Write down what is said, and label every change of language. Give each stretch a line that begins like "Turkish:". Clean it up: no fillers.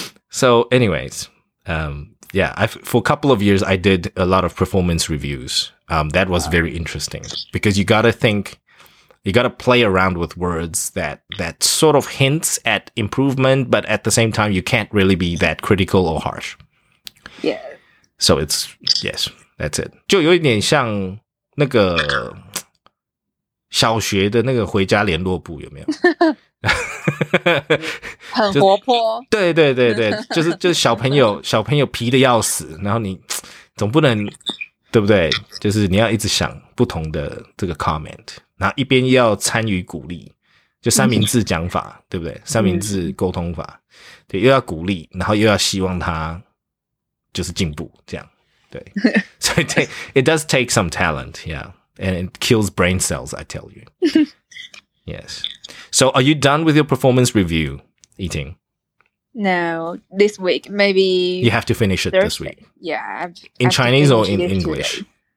English: So anyways, yeah, for a couple of years, I did a lot of performance reviews. That was very interesting because you got to think, you got to play around with words that sort of hints at improvement, but at the same time, you can't really be that critical or harsh. Yeah. So it's, yes, that's it.
Chinese: 就有一点像那个小学的那个回家联络部，有没有？很活泼。对对对对，就是小朋友皮的要死，然后你总不能，对不对？就是你要一直想不同的这个 comment。然后一边要参与鼓励，就三明治讲法，对不对？三明治沟通法，对，又要鼓励，然后又要希望他就是进步，这样，对。
English: 所以 it does take some talent, yeah, and it kills brain cells, I tell you. Yes. So are you done with your performance review, Yiting? No, this week, maybe. You have to finish it this week. Yeah. In Chinese or in English? Today.